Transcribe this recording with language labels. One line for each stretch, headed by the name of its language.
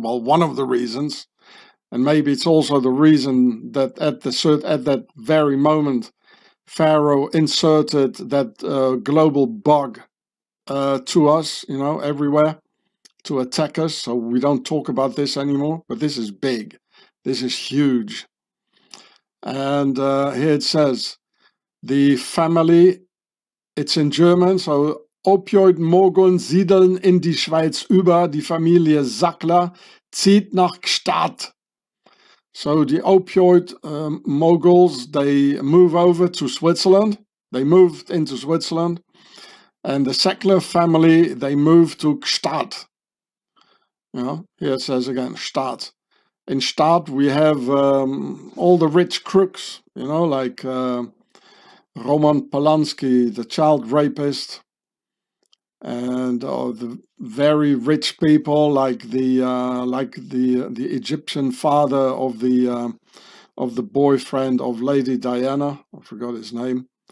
English: Well, one of the reasons, and maybe it's also the reason that at that very moment, Pharaoh inserted that global bug to us, you know, everywhere, to attack us. So we don't talk about this anymore, but this is big. This is huge. And here it says, the family, it's in German, so
German: Opioid Morgen siedeln in die Schweiz über, die Familie Sackler zieht nach Gstaad.
English: So the opioid moguls, they move over to Switzerland. They moved into Switzerland. And the Sackler family, they moved to Gstaad. You know, here it says again, Gstaad. In Gstaad, we have all the rich crooks, you know, like Roman Polanski, the child rapist, and the very rich people like the Egyptian father of the boyfriend of Lady Diana. I forgot his name.